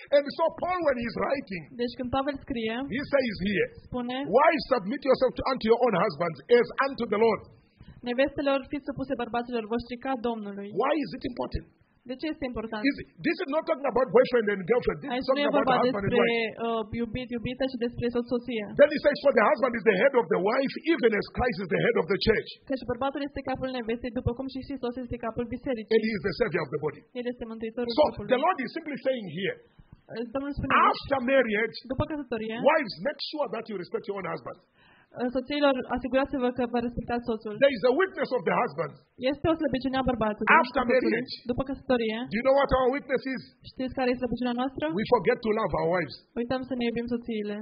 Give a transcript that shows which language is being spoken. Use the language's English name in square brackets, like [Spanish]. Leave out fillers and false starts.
[English] And so Paul, when he's writing, [Romanian] deci când Pavel scrie, [English] he says here, [Romanian] spune, [English] why submit yourself unto your own husbands as unto the Lord? [Romanian] Nevestelor, fiți supuse bărbaților voștri ca Domnului. [English] Why is it important? [Romanian] De ce este important? [English] This is not talking about boyfriend and girlfriend. This is talking about the husband [Romanian] despre, [English] and wife. [Romanian] Iubita și despre soția. [English] Then he says, for the husband is the head of the wife, even as Christ is the head of the church. [Romanian] Căci bărbatul este capul nevestei, după cum și Hristos este capul bisericii. [English] And he is the savior of the body. [Romanian] El este mântuitorul [English] so [Romanian] capului. [English] The Lord is simply saying here, [Romanian] spune, [English] after marriage, [Romanian] după căsătorie, [English] wives, make sure that you respect your own husband. [Romanian] Soțiilor, asigurați-vă că vă respectați soțul. [English] There is a witness of the husband. [Romanian] Este o slăbiciune a bărbatului. [English] After marriage. [Romanian] După căsătorie. [English] Do you know what our weakness is? [Romanian] Știți care este slăbiciunea noastră? [English] We forget to love our wives. [Romanian] Uităm să ne iubim soțiile.